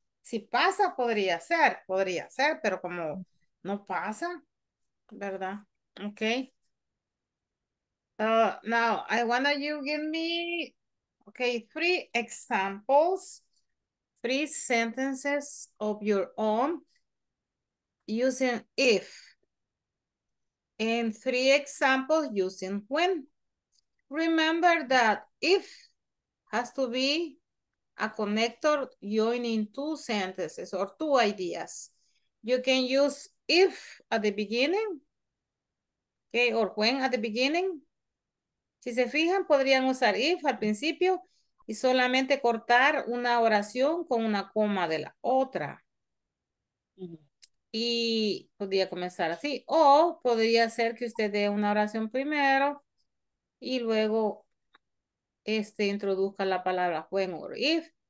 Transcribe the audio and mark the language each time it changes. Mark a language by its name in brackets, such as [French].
[Spanish] Si pasa, podría ser, pero como no pasa, ¿verdad? [English] Okay. Now, I want you give me, okay, three examples, three sentences of your own using if, and three examples using when. Remember that if has to be a connector joining two sentences or two ideas. You can use if at the beginning, okay, or when at the beginning. [Spanish] Si se fijan, podrían usar if al principio y solamente cortar una oración con una coma de la otra. Y podría comenzar así. O podría ser que usted dé una oración primero y luego introduzca la palabra when or if.